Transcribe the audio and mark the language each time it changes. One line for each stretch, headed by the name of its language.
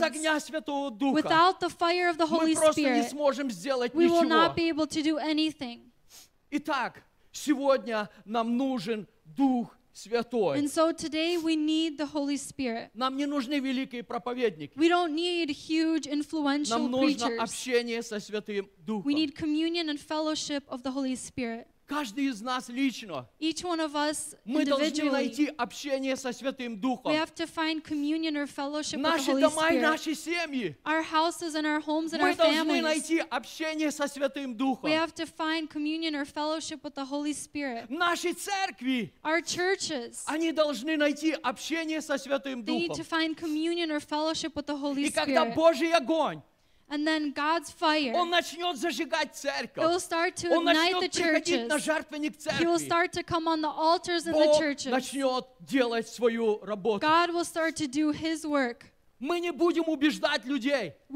English: Without the fire of the Holy Spirit, we will not be able to do anything.
Russian: Итак, сегодня нам нужен Дух Святой.
English: And so today we need the Holy Spirit.
Russian: Нам не нужны великие проповедники.
English: We don't need huge influential
Russian: нам нужно
English: preachers.
Russian: Общение со Святым Духом.
English: We need communion and fellowship of the Holy Spirit.
Russian: Каждый из нас лично.
English: Each one of us individually.
Russian: Мы должны найти общение со Святым Духом.
English: We have to find communion or fellowship with the Holy Spirit.
Russian: Наши дома и наши семьи.
English: Our houses and our homes and our families.
Russian: Мы должны найти общение со Святым Духом.
English: We have to find communion or fellowship with the Holy Spirit.
Russian: Наши церкви.
English: Our churches.
Russian: Они должны найти общение со Святым Духом.
English: They need to find communion or fellowship with the Holy Spirit.
Russian: И когда Божий огонь.
English: And then God's fire.
Russian: Он начнёт зажигать церковь.
English: He will start to ignite the churches.
Russian: На жертвенник церкви.
English: He will start to come on the altars in the churches.
Russian: Бог начнёт делать свою работу.
English: God will start to do His work.
Russian: Мы не будем убеждать людей.